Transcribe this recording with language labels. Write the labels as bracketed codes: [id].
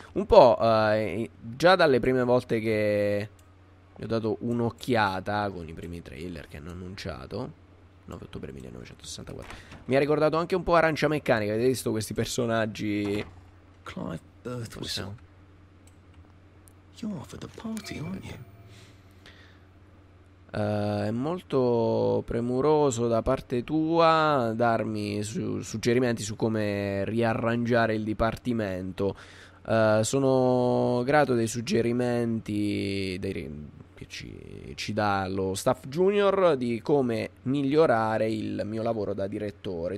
[it] Un po', già dalle prime volte che gli ho dato un'occhiata con i primi trailer che hanno annunciato, 9 ottobre 1964, mi ha ricordato anche un po' Arancia Meccanica. Avete visto questi personaggi? Clive Birthwistle. [en] You're for the party, aren't you? [it] È molto premuroso da parte tua darmi suggerimenti su come riarrangiare il dipartimento. Sono grato dei suggerimenti che ci dà lo staff junior di come migliorare il mio lavoro da direttore.